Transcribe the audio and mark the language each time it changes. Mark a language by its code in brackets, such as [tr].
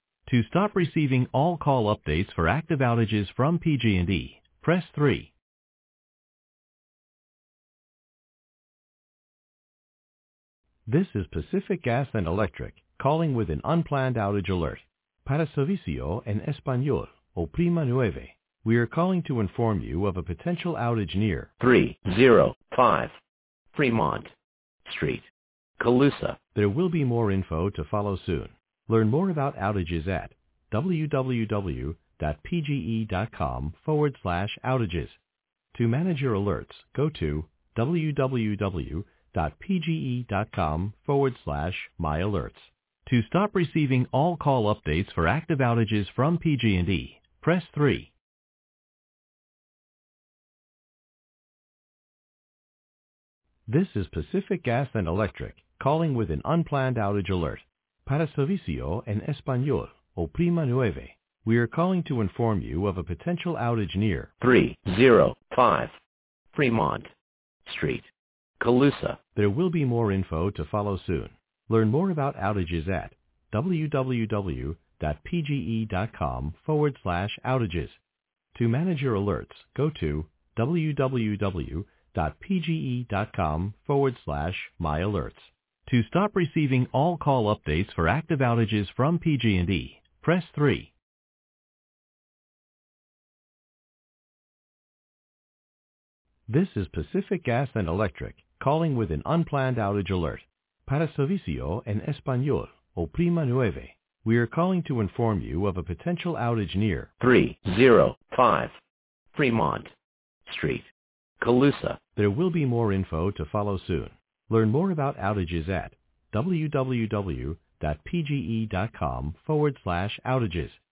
[en] To stop receiving all call updates for active outages from PG&E, press 3. This is Pacific Gas and Electric calling with an unplanned outage alert. [es] Para servicio en español, o prima nueve. [en] We are calling to inform you of a potential outage near 305 Fremont Street, Colusa. There will be more info to follow soon. Learn more about outages at www.pge.com/outages. To manage your alerts, go to www.pge.com/myalerts. To stop receiving all call updates for active outages from PG&E, press 3. This is Pacific Gas and Electric calling with an unplanned outage alert. [es] Para servicio en español, o prima nueve. [en] We are calling to inform you of a potential outage near 305 Fremont Street, Colusa. There will be more info to follow soon. Learn more about outages at www.pge.com/outages. To manage your alerts, go to www.pge.com/myalerts. To stop receiving all call updates for active outages from PG&E, press 3. This is Pacific Gas and Electric calling with an unplanned outage alert. [es] Para servicio en español, o prima nueve. [en] We are calling to inform you of a potential outage near 305 Fremont Street, Colusa. There will be more info to follow soon. Learn more about outages at www.pge.com/outages.